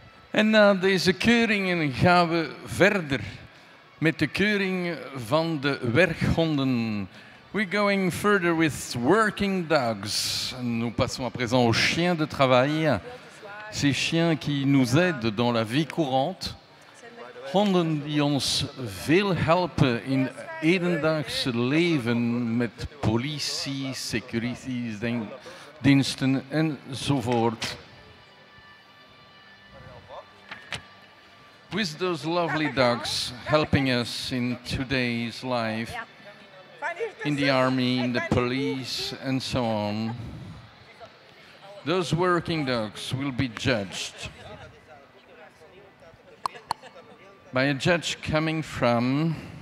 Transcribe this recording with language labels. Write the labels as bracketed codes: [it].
[nl] En na deze keuringen gaan we verder met de keuring van de werkhonden. [en] We're going further with working dogs. [fr] Nous passons à présent aux chiens de travail. Ces chiens qui nous aident dans la vie courante. [nl] Honden die ons veel helpen in hedendaagse leven met politie, securitiediensten enzovoort. [en] With those lovely dogs helping us in today's life, in the army, in the police, and so on, those working dogs will be judged by a judge coming from